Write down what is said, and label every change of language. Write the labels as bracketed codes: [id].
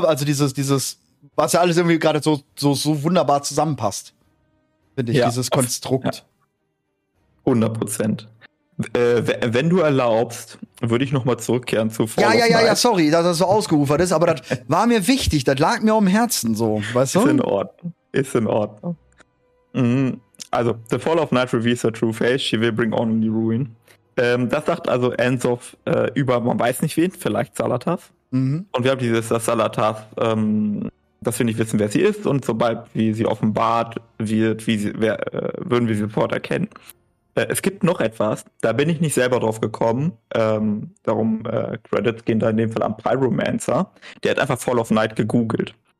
[de] Also dieses, was ja alles irgendwie gerade so wunderbar zusammenpasst. Finde ich, dieses Konstrukt. 100%. Wenn du erlaubst, würde ich noch mal zurückkehren zu [en] Fall of Night. [de] Ja, sorry, dass das so ausgerufert ist, aber das war mir wichtig, das lag mir auf dem Herzen so, weißt du? Ist in Ordnung. [en] Also, The Fall of Night reveals her true face, she will bring on the ruin. [de] Das sagt also Anzoth über, man weiß nicht wen, vielleicht Zalathas. Und wir haben dieses, dass Zalathas dass wir nicht wissen, wer sie ist, und sobald wie sie offenbart wird, würden wir sie sofort erkennen. Es gibt noch etwas, da bin ich nicht selber drauf gekommen, darum Credits gehen da in dem Fall an Pyromancer, der hat einfach Fall of Night gegoogelt.